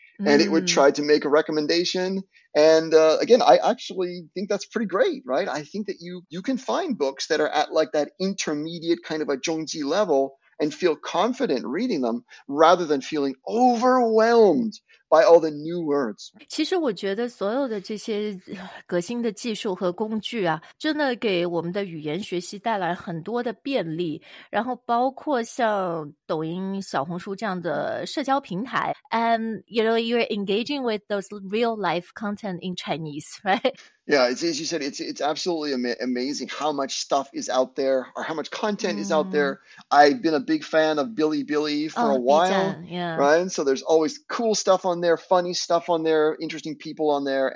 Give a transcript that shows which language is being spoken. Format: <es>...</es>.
<en>And it would try to make a recommendation. And again, I actually think that's pretty great, right? I think that you can find books that are at like that intermediate kind of a 中级 level and feel confident reading them rather than feeling overwhelmed. By all the new words.</en> <zh>其实我觉得所有的这些革新的技术和工具啊，真的给我们的语言学习带来很多的便利。然后包括像抖音、小红书这样的社交平台。</zh> <en>And you know, you're engaging with those real life content in Chinese, right? Yeah, it's, as you said, it's absolutely amazing how much stuff is out there or how much content is out there. I've been a big fan of Bilibili for a while, right? So there's always cool stuff on there, funny stuff on there, interesting people on there.</en>